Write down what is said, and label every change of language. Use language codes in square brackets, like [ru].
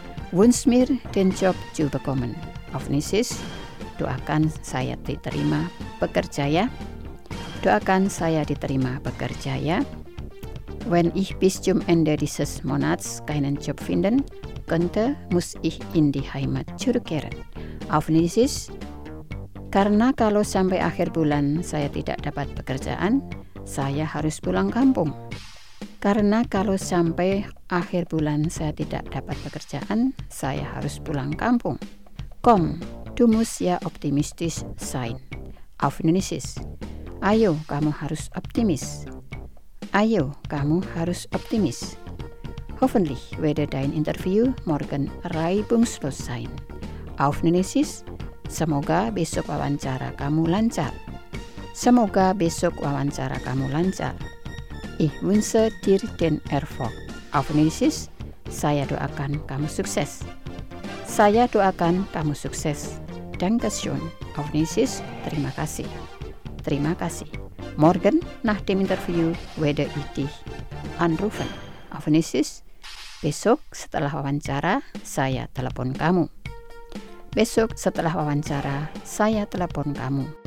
[de] Wunsmir den Job zu bekommen. Auf Nisis, [id] doakan saya diterima bekerja ya. Doakan saya diterima bekerja ya. [de] Wenn ich bis zum Ende dieses Monats keinen Job finden könnte, muss ich in die Heimat zurückkehren. Auf Nisis, [id] karena kalau sampai akhir bulan saya tidak dapat pekerjaan, saya harus pulang kampung. Karena kalau sampai akhir bulan saya tidak dapat pekerjaan, saya harus pulang kampung. [de] Komm, du musst ja optimistisch sein. Auf Indonesisch. [id] Ayo, kamu harus optimis. Ayo, kamu harus optimis. [de] Hoffentlich wird dein Interview morgen reibungslos sein. Auf Indonesisch. [id] Semoga besok wawancara kamu lancar. Semoga besok wawancara kamu lancar. [de] Ich wünsche dir den Erfolg. Auf Indonesisch. Saya doakan kamu sukses. Saya doakan kamu sukses. Dankeschön. Auf Indonesisch. [id] Terima kasih. Terima kasih. [de] Morgen nach dem Interview werde ich dich anrufen. Auf Indonesisch. [id] Besok setelah wawancara, saya telepon kamu. Besok setelah wawancara, saya telepon kamu.